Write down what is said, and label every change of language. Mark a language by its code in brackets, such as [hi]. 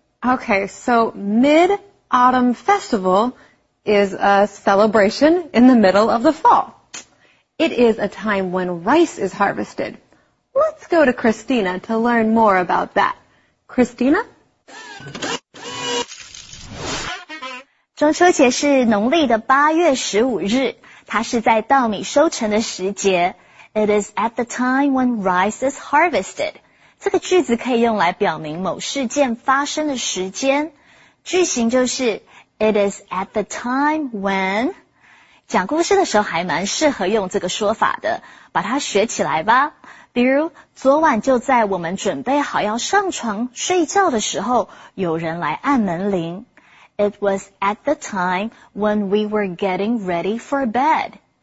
[en] Okay, so Mid-Autumn Festival is a celebration in the middle of the fall. It is a time when rice is harvested. Let's go to Christina to learn more about that. Christina? [zh] 中秋节是农历的八月十五日，它是在稻米收成的时节。 [en] It is at the time when rice is harvested. [zh] 这个句子可以用来表明某事件发生的时间。句型就是 [en] It is at the time when. [zh] 讲故事的时候还蛮适合用这个说法的，把它学起来吧。比如，昨晚就在我们准备好要上床睡觉的时候，有人来按门铃。 [en] It was at the time when we were getting ready for bed.